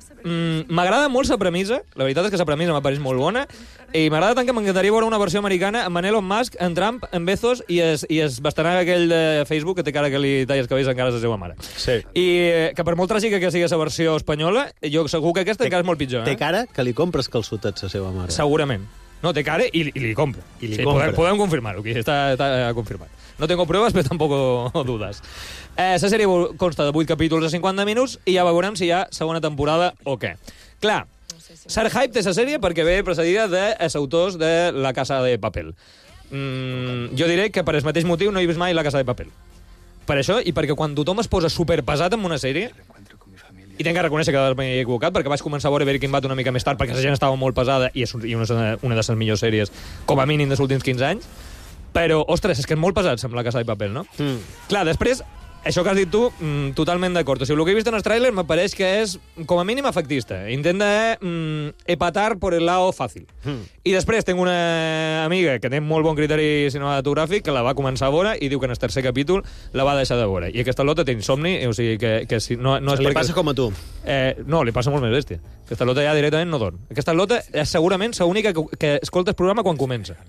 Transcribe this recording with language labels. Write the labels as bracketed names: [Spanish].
[Catalan] M'agrada molt la premissa, la veritat és que la premissa m'apareix molt bona, i m'agrada tant que m'encantaria veure una versió americana amb en Elon Musk, en Trump, en Bezos i es bastarà aquell de Facebook que té cara que li talles cabells encara a la seva mare. Sí. I que per molt tràgica que sigui la versió espanyola, jo segur que aquesta encara és molt pitjor. Té cara que li compres calçotets a la seva mare. Segurament. No, té cara i li compro. I li compro. Podem confirmar-ho, que està confirmat. [Spanish] No tengo pruebas, pero tampoco dudas. [Catalan] La sèrie consta de 8 capítols de 50 minuts i ja veurem si hi ha segona temporada o què. Clar, cert hype té la sèrie perquè ve precedida dels autors de La Casa de Papel. Jo diré que per el mateix motiu no he vist mai La Casa de Papel. Per això i perquè quan tothom es posa superpesat en una sèrie... I tinc que reconèixer que m'he equivocat, perquè vaig començar a veure Breaking Bad una mica més tard, perquè la gent estava molt pesada i és una de les millors sèries, com a mínim, dels últims 15 anys. Però, ostres, és que és molt pesat, sembla La Casa de Papel, no? Mm. Clar, després, això que has dit tu, totalment d'acord. O sigui, el que he vist en el tràiler m'apareix que és, com a mínim, efectista. [Spanish] Intenta epatar por el lado fácil. Mm. [Catalan] I després tinc una amiga que té molt bon criteri cinematogràfic que la va començar a veure i diu que en el tercer capítol la va deixar de veure. I aquesta lota té insomni, o sigui, que si no és... Li passa que... com a tu. No, li passa molt més bèstia. Aquesta lota ja directament no dorm. Aquesta lota és segurament l'única que escolta el programa quan comença.